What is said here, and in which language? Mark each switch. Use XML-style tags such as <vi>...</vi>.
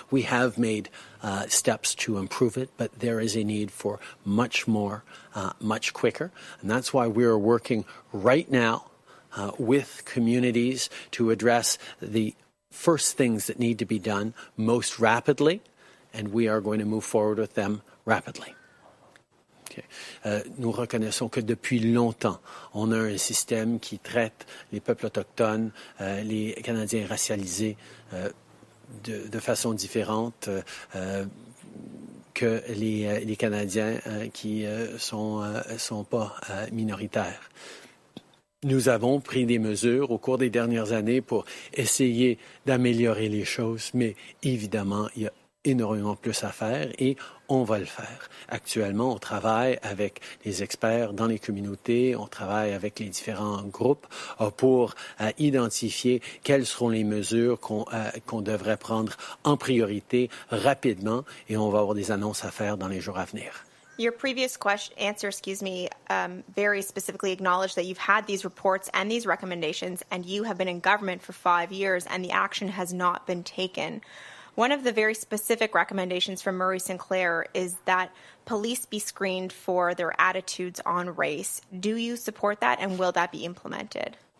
<en>We have made steps to improve it, but there is a need for much more, much quicker. And that's why we are working right now with communities to address the first things that need to be done most rapidly, and we are going to move forward with them rapidly.</en> <fr>Nous reconnaissons que depuis longtemps, on a un système qui traite les peuples autochtones, les Canadiens racialisés de façon différente que les Canadiens qui sont pas minoritaires. Nous avons pris des mesures au cours des dernières années pour essayer d'améliorer les choses, mais évidemment, il y a énormément plus à faire et on va le faire. Actuellement, on travaille avec les experts dans les communautés, on travaille avec les différents groupes pour identifier quelles seront les mesures qu'on devrait prendre en priorité rapidement et on va avoir des annonces à faire dans les jours à venir.</fr> <en>Your previous answer, very specifically acknowledged that you've had these reports and these recommendations and you have been in government for 5 years and the action has not been taken. One of the very specific recommendations from Murray Sinclair is that police be screened for their attitudes on race. Do you support that, and will that be implemented?</en>